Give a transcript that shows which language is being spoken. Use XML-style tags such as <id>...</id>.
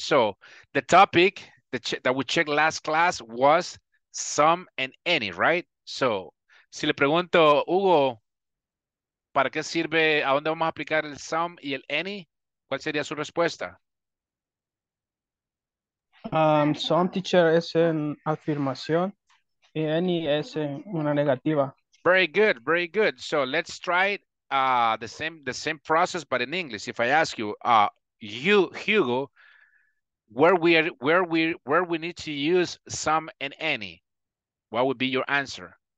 <en>So the topic that we checked last class was some and any, right?</en> <es>So si le pregunto, Hugo, ¿para qué sirve, a dónde vamos a aplicar el some y el any? ¿Cuál sería su respuesta? Some teacher es en afirmación y any es en una negativa.</es> <en>Very good. So let's try the same process but in English. If I ask you, Hugo, where we need to use some and any, what would be your answer?</en>